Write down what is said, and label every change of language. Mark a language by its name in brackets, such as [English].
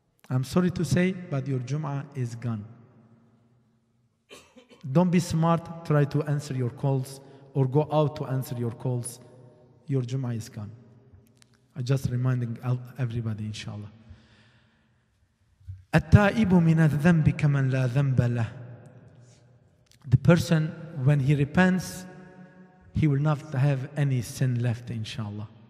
[English] I'm sorry to say, but your Jum'ah is gone. Don't be smart, try to answer your calls or go out to answer your calls. Your Jum'ah is gone. I just reminding everybody, inshallah. [Arabic] التائب من الذنب كمن لا ذنب له. [English] The person, when he repents, he will not have any sin left, inshallah.